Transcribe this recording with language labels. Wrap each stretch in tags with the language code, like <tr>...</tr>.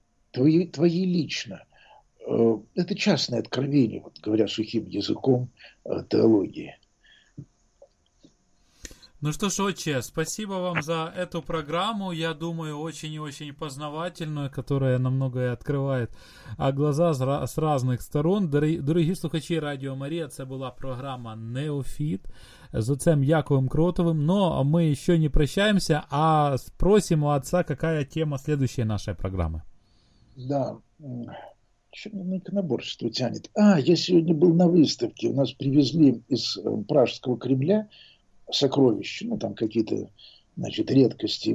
<ru>Твои лично. Это частное откровение, вот говоря сухим языком, теологии. Ну что ж, отче, спасибо вам за эту программу, я думаю, очень и очень познавательную, которая намного и открывает глаза с разных сторон.</ru> <uk>Дорогі слухачі Радіо Марія, це була програма «Неофіт» з отцем Яковом Кротовим. Но ми ще не прощаємося,</uk> <ru>а спросимо отца, какая тема следующей нашей программы. Да, еще на иконоборчество тянет. А, я сегодня был на выставке, у нас привезли из Пражского Кремля сокровища, ну, там какие-то, значит, редкости.</ru>